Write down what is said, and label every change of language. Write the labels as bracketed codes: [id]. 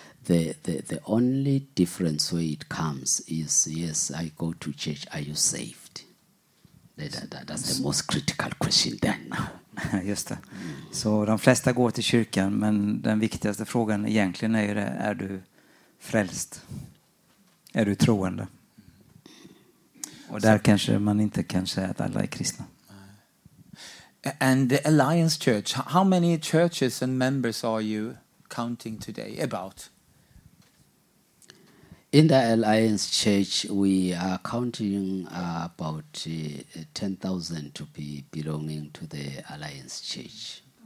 [en] The only difference where it comes is, yes, I go to church, are you saved? That's the most critical question then. [sv] Just det. Så de flesta går till kyrkan, men den viktigaste frågan egentligen är ju det, är du frälst? Är du troende? Och där kanske man inte kan säga att alla är kristna. [en] And the Alliance Church, how many churches and members are you counting today about? In the Alliance Church, we are counting about 10,000 to be belonging to the Alliance Church.